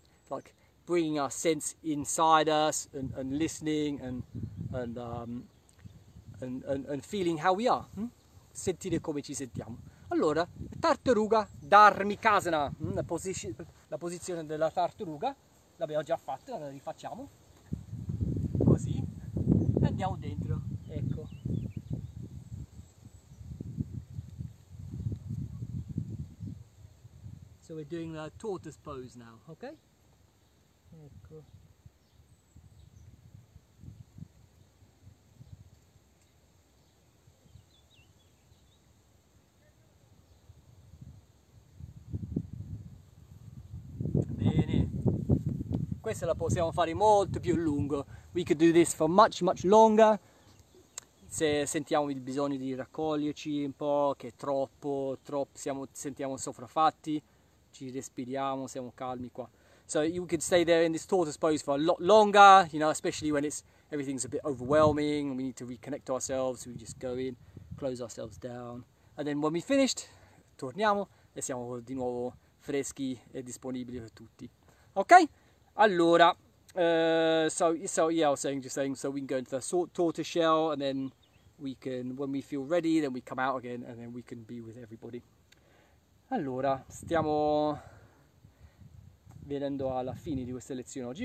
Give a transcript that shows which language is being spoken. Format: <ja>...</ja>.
<en>Like bringing our sense inside us and listening and feeling how we are.</en> <it>Sentire come ci sentiamo. Allora, tartaruga dharmikasana, la posizione della tartaruga l'abbiamo già fatta, la rifacciamo così e andiamo dentro.</it> <en>Ecco, so we're doing the tortoise pose now, ok? Ecco.</en> <it>Bene. Questa la possiamo fare molto più lungo.</it> <en>We could do this for much, much longer.</en> <it>Se sentiamo il bisogno di raccoglierci un po', che è troppo, sentiamo sopraffatti, ci respiriamo, siamo calmi qua.</it> <en>So you could stay there in this tortoise pose for a lot longer, you know, especially when everything's a bit overwhelming and we need to reconnect ourselves. We just go in, close ourselves down. And then when we finished,</en> <it>torniamo e siamo di nuovo freschi e disponibili per tutti.</it> <en>Ok? Allora, I was saying we can go into the tortoise shell and then we can, when we feel ready, then we come out again and then we can be with everybody.</en> <it>Allora, stiamo venendo alla fine di questa lezione oggi.</it>